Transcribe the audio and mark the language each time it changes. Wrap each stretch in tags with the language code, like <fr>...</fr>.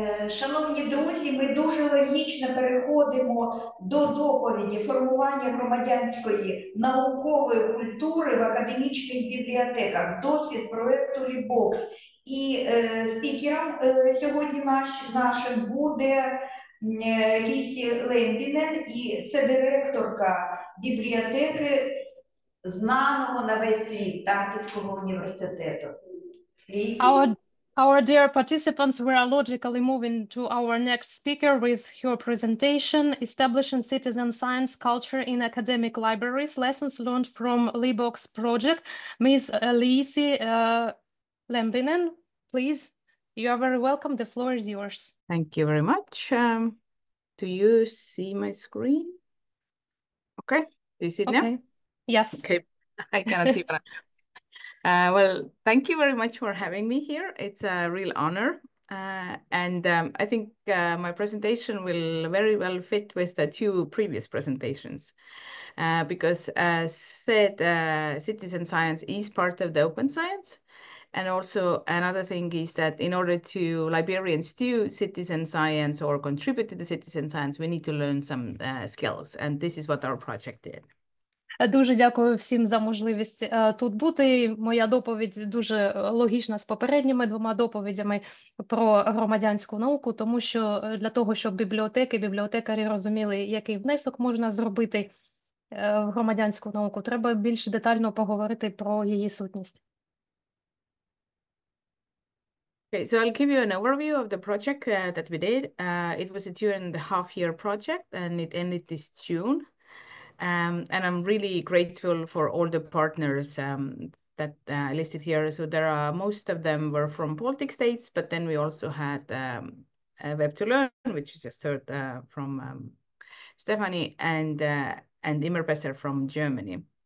<uk>Шановні друзі, ми дуже логічно переходимо до доповіді формування громадянської наукової культури в академічних бібліотеках, досвід проєкту LIBOCS. І спікером сьогодні нашим буде Лісі Лембінен, і це директорка бібліотеки знаного на весь світ Тартуського університету. Лісі.</uk> <en>Our dear participants, we are logically moving to our next speaker with her presentation, Establishing Citizen Science Culture in Academic Libraries, Lessons Learned from LIBOCS Project. Ms. Liisi Lembinen, please, you are very welcome. The floor is yours. Thank you very much. Do you see my screen? Okay, do you see it okay. now? Yes. Okay, I cannot see but. Well, thank you very much for having me here. It's a real honor. I think my presentation will very well fit with the two previous presentations. Because as said, citizen science is part of the open science. And also another thing is that in order to Liberians do citizen science or contribute to the citizen science, we need to learn some skills. And this is what our project did.</en> <uk>Дуже дякую всім за можливість тут бути. Моя доповідь дуже логічна з попередніми двома доповідями про громадянську науку, тому що для того, щоб бібліотеки, бібліотекарі розуміли, який внесок можна зробити в громадянську науку, треба більш детально поговорити про її сутність.</uk> <en>Okay, so I'll give you an overview of the project that we did. It was a 2.5-year project and it ended this June. And I'm really grateful for all the partners that I listed here. So there are most of them were from Baltic states, but then we also had Web to Learn, which you just heard from Stephanie, and Immer Besser from Germany.</en>